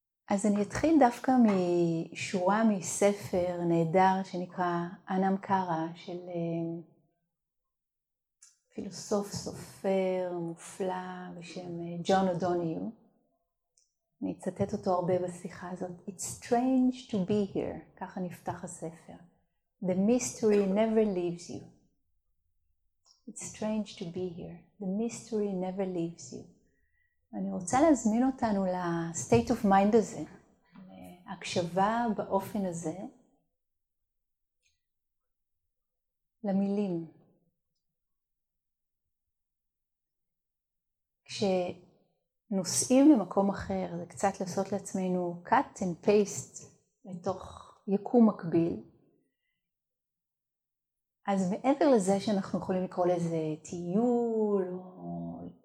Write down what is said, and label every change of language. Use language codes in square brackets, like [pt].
[he] אז אני אתחיל דווקא משורה מספר נהדר שנקרא אנם קרה, של פילוסוף סופר מופלא בשם ג'ון אודוניו. אני אצטט אותו הרבה בשיחה הזאת. [en] It's strange to be here. [he] ככה נפתח הספר. [en] The mystery never leaves you. It's strange to be here. The mystery never leaves you. [he] אני רוצה להזמין אותנו [en] לסטייט אוף מיינד [he] הזה, להקשבה באופן הזה, למילים. כשנוסעים למקום אחר, זה קצת לעשות לעצמנו [en] cut and paste [he] לתוך יקום מקביל, אז מעבר לזה שאנחנו יכולים לקרוא לזה טיול, או